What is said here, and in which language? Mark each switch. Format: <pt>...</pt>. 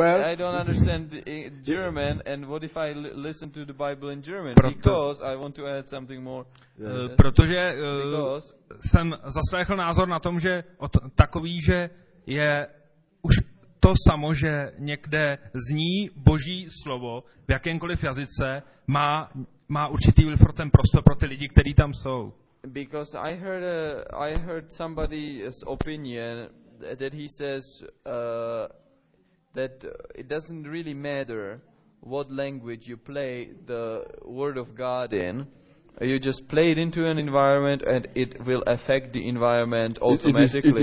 <en>I don't understand German, and what if I listen to the Bible in German? Because I want to add something more.</en> <cs>Protože jsem zaslechl názor na tom, že takový, že je už to samo, že někde zní Boží slovo v jakémkoliv jazyce, má určitý vliv pro ten prostor, pro ty lidi, kteří tam jsou.</cs> <en>Because I heard somebody's opinion that he says that it doesn't really matter what language you play the word of God in, You just play it into an environment and it will affect the environment automatically.</en>